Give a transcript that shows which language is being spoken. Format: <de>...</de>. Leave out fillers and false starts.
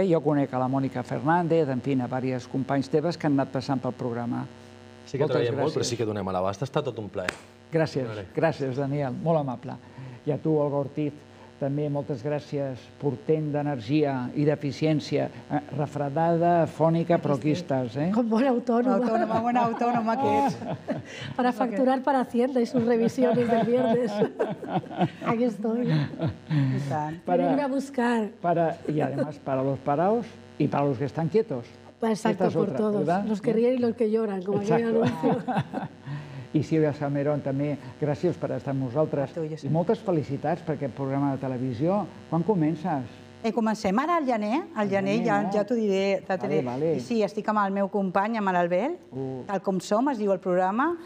<ca>Jo conec a la Mònica Fernández, en fi, a diverses companys teves que han anat passant pel programa. Sí que treballem molt, però sí que donem a l'abast. Està tot un plaer. Gràcies, gràcies, Daniel, molt amable. I a tu, Olga Ortiz, també moltes gràcies, portent d'energia i d'eficiència, refredada, fònica, però aquí estàs. Com bona autònoma. Bona autònoma que ets.</ca> <es>Para facturar para Hacienda y sus revisiones del viernes. Aquí estoy. Venirme a buscar. Y además para los parados y para los que están quietos. Exacto, por todos. Los que ríen y los que lloran, como aquí anuncio.</es> <ca>I Silvia Salmerón, també, gràcies per estar amb nosaltres. I moltes felicitats per aquest programa de televisió. Quan comences? Comencem ara al gener. Al gener ja t'ho diré. Sí, estic amb el meu company, amb l'Albert, tal com som, es diu el programa.</ca>